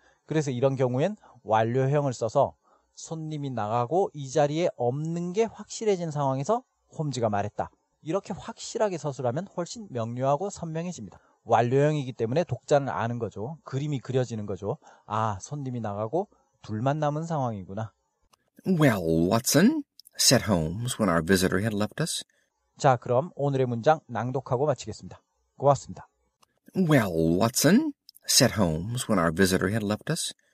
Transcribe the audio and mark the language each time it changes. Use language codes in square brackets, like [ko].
[ko] 그래서 이런 경우엔 완료형을 써서 손님이 나가고 이 자리에 없는 게 확실해진 상황에서 홈즈가 말했다. 이렇게 확실하게 서술하면 훨씬 명료하고 선명해집니다. 완료형이기 때문에 독자는 아는 거죠. 그림이 그려지는 거죠. 아, 손님이 나가고 둘만 남은 상황이구나. [en] Well, Watson, said Holmes when our visitor had left us. [ko] 자, 그럼 오늘의 문장 낭독하고 마치겠습니다. 고맙습니다. [en] Well, Watson, said Holmes when our visitor had left us.